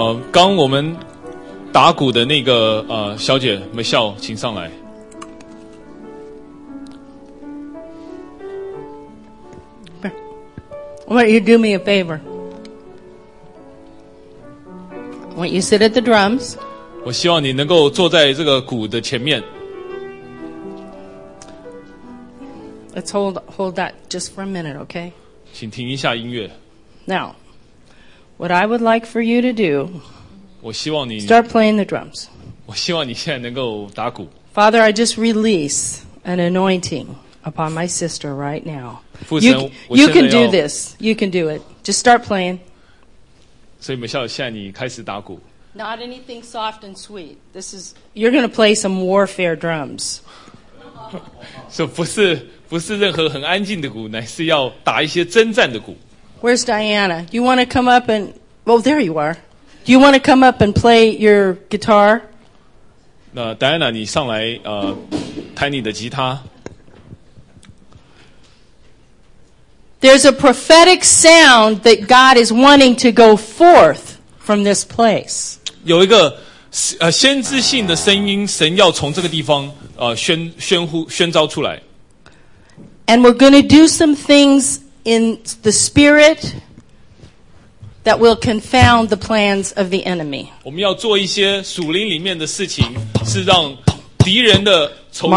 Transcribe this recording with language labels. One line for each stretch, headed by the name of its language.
Chinese: 刚我们打鼓的那个小姐 Michelle, 请上来。
English: I want you to do me a favor. I want you to sit at the drums.
Chinese: 我希望你能够坐在这个鼓的前面。
English: Let's hold that just for a minute, okay?
Chinese: 请停一下音乐。
English: Now, what I would like for you to do,
Chinese: 我希望你
English: start playing the drums.
Chinese: 我希望你现在能够打鼓。
English: Father, I just release an anointing upon my sister right now.
Chinese: 父神，
English: you can do this. You can do it. Just start playing.
Chinese: 所以Michelle，现在你开始打鼓。
English: Not anything soft and sweet. This is, you're going to play some warfare drums.
Chinese: 所以不是任何很安静的鼓，乃是要打一些征战的鼓。
English: Where's Diana? Do you want to come up and... Oh, there you are. Do you want to come up and play your guitar?
Chinese: 那Diana，你上来弹你的吉他。
English: There's a prophetic sound that God is wanting to go forth from this place.
Chinese: 有一个先知性的声音，神要从这个地方宣召出来。
English: And we're going to do some things in the spirit that will confound the plans of the enemy.
Chinese: 我们要做一些属灵里面的事情，是让敌人的筹谋。